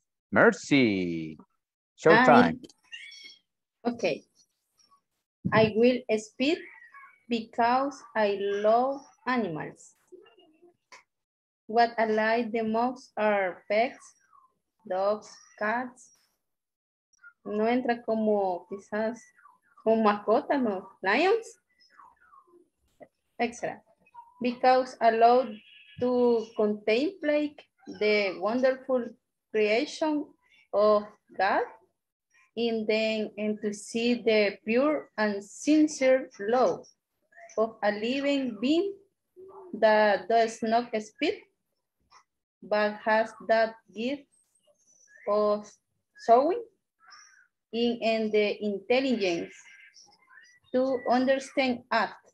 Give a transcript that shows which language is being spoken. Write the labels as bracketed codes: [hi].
[en] Mercy, showtime. Okay. I will speak because I love animals. What I like the most are pets, dogs, cats. [es] No entra como quizás como mascota, no, [en] lions, [es] etc. [en] Because I love to contemplate the wonderful creation of God and then and to see the pure and sincere love of a living being that does not speak but has that gift of sowing in and the intelligence to understand art.